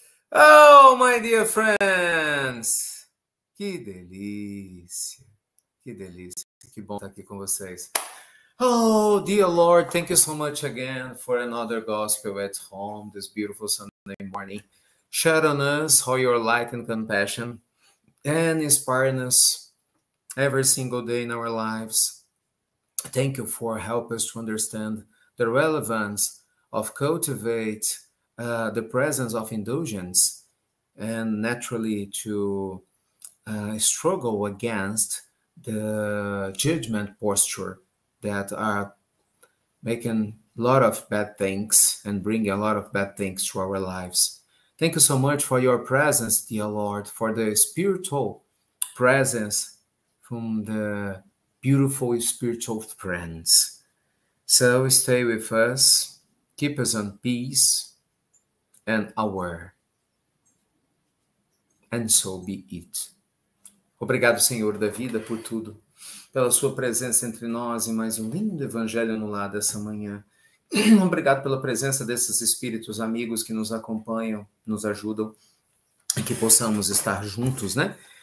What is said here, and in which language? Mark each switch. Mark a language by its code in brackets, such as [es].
[en] Oh, my dear friends, [pt] que delícia, que delícia, que bom estar aqui com vocês. [en] Oh, dear Lord, thank you so much again for another gospel at home this beautiful Sunday morning. Shed on us all your light and compassion and inspire us every single day in our lives. Thank you for helping us to understand the relevance of cultivating the presence of indulgence and naturally to struggle against the judgment posture that are making a lot of bad things and bringing a lot of bad things to our lives. Thank you so much for your presence, dear Lord, for the spiritual presence from the beautiful spiritual friends. So stay with us, keep us in peace and aware. And so be it. [pt] Obrigado, Senhor da vida, por tudo, pela sua presença entre nós e mais um lindo evangelho no lar dessa manhã. Obrigado pela presença desses espíritos amigos que nos acompanham, nos ajudam, e que possamos estar juntos, né?